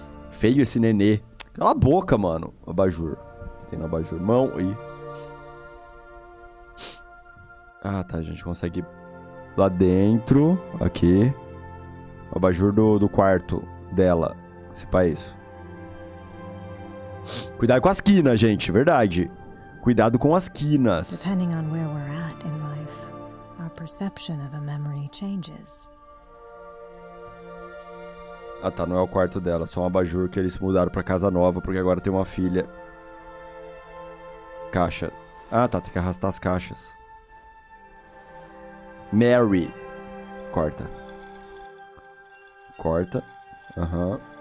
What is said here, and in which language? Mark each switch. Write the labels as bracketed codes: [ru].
[pt] Feio esse nenê. Cala a boca, mano. Abajur. Tem no abajur. Mão e... Ah, tá. A gente consegue... Lá dentro. Aqui. Abajur do quarto dela. Esse pai é isso. Cuidado com as quinas, gente. Verdade. Cuidado com as quinas. [en] Depending on where we're at in life. Our perception of a memory changes. [pt] Ah tá, não é o quarto dela, só um abajur que eles mudaram pra casa nova, porque agora tem uma filha. Caixa. Ah tá, tem que arrastar as caixas. Mary. Corta. Corta. Aham.